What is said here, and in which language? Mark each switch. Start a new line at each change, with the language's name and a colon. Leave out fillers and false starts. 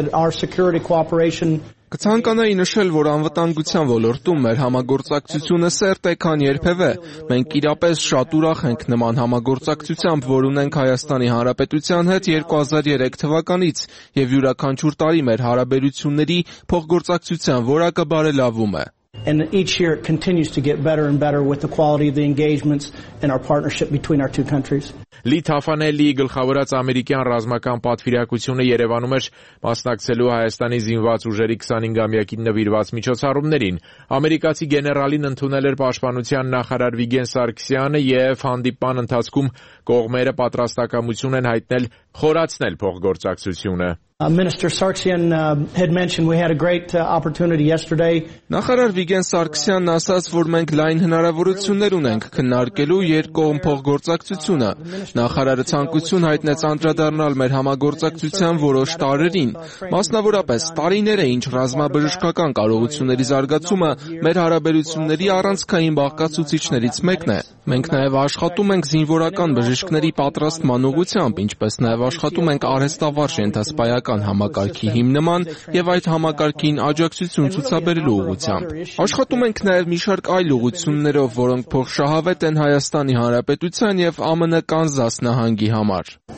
Armenian: Կցանկանայի նշել, որ անվտանգության ոլորտում մեր համագործակցությունը սերտ է, քան երբևէ։ Մենք իրապես շատ ուրախ ենք նման համագործակցությամբ, որ ունենք Հայաստանի Հանրապետության հետ 2003 թվականից, և յուրաքանչյուր տարի մեր հարաբերությունների փոխգործակցության որակը բարելավում է։
English: And each year it continues to get better and better with the quality of the engagements and our partnership between our two countries.
Armenian: Լի Թաֆանելի գլխավորած ամերիկյան ռազմական պատվիրակությունը Երևանում էր մասնակցելու Հայաստանի զինված ուժերի 25-ամյակին նվիրված միջոցառումներին։ Ամերիկացի գեներալին ընդունել էր պաշտպանության նախարար Վիգեն Սարգսյանը, և հանդիպան ընթացքում կողմերը պատրաստակամություն են հայտնել խորացնել փոխգործակցությունը։
English: Minister Sarkisian had mentioned we had a great opportunity yesterday.
Armenian: Նախարար Վիգեն Սարգսյանն ասաց, որ մենք լայն հնարավորություններ ունենք քննարկելու երկկողմ փոխգործակցությունը։ Նախարարը ցանկություն հայտնեց անդրադառնալ մեր համագործակցության որոշ տարերին, մասնավորապես տարիները, ինչ ռազմաբժշկական կարողությունների զարգացումը մեր հարաբերությունների առանցքային բաղկացուցիչներից մեկն է։ Մենք նաև աշխատում ենք զինվորական բժիշկների պատրաստման ուղղությամբ, ինչպես նաև աշխատում ենք արհեստավարժ ենթասպայական համակարգի հիմնման և այդ համակարգին աջակցություն ցուցաբերելու ուղղությամբ։ Աշխատում ենք նաև մի շարք այլ ուղություններով, որոնք փոխշահավետ են Հայաստանի Հանրապետության և ԱՄՆ Կանզաս նահանգի համար։